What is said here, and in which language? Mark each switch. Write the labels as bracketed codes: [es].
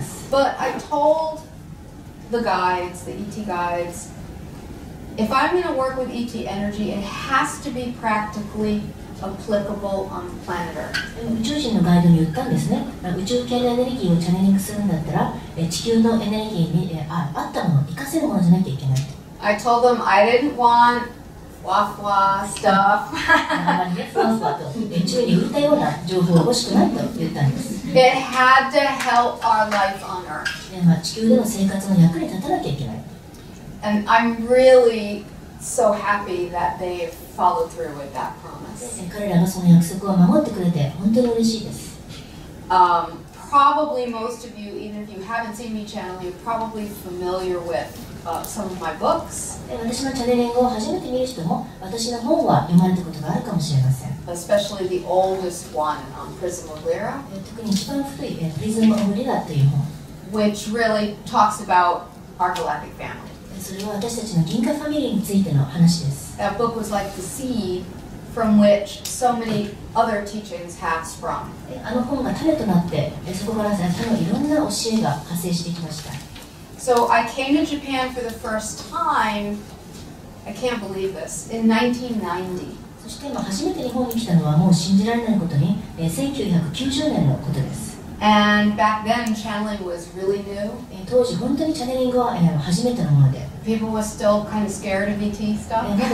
[en] But I told the guides, the ET guides, if I'm going to work with ET energy, it has to be practically applicable on the planet Earth. [ja] 宇宙人のガイドに言ったんですね。宇宙系のエネルギーをチャネリングするんだったら、地球のエネルギーに合ったもの、活かせるものじゃなきゃいけないと。 [en] I told them I didn't want wah wah stuff. [ja] 宇宙に浮いたような情報は欲しくないと言ったんです。 [en] It had to help our life on Earth. [ja] 地球での生活の役に立たなきゃいけないと。 [en] And I'm really so happy that they've followed through with that promise. [ja] 彼らがその約束を守ってくれて本当に嬉しいです。 [en] Probably most of you, even if you haven't seen me channel, you're probably familiar with some of my books. [ja] 私のチャネリングを初めて見る人も、私の本は読まれたことがあるかもしれません。 [en] Especially the oldest one on Prism of Lyra. [ja] 特に一番古い Prism of Lyra という本。 [en] Which really talks about our galactic family. [ja] それは私たちの銀河ファミリーについての話です。 [en] That book was like the seed. From which so many other teachings have sprung. [ja] あの本が種となって、そこから先のいろんな教えが発生してきました。 [en] So I came to Japan for the first time, I can't believe this, in 1990. [ja] そして今初めて日本に来たのはもう信じられないことに、1990年のことです。 [en] And back then, channeling was really new. [ja] 当時本当にチャネリングは初めてのもので。 [en] People were still kind of scared of ET stuff.